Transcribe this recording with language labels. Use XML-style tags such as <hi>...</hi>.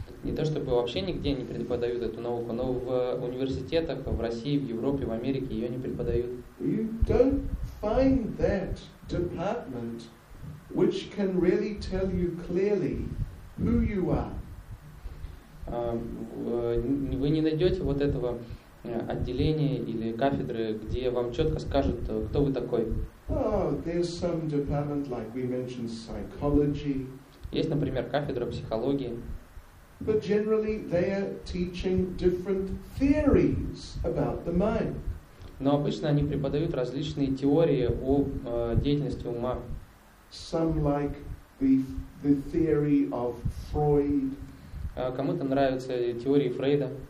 <ru>Не то чтобы вообще нигде не преподают эту науку, но в университетах в России, в Европе, в Америке ее не преподают.</ru> <en>You don't find that department which can really tell you clearly who you are.</en> <ru>Вы не найдете вот этого отделения или кафедры, где вам четко скажут, кто вы такой. Есть, например, кафедра психологии.</ru> <en>But generally they are teaching different theories about the mind.</en> <ru>Но обычно они преподают различные теории о деятельности ума.</ru> <en>Some like the theory of Freud.</en> <ru>Кому-то нравятся теории Фрейда.</ru>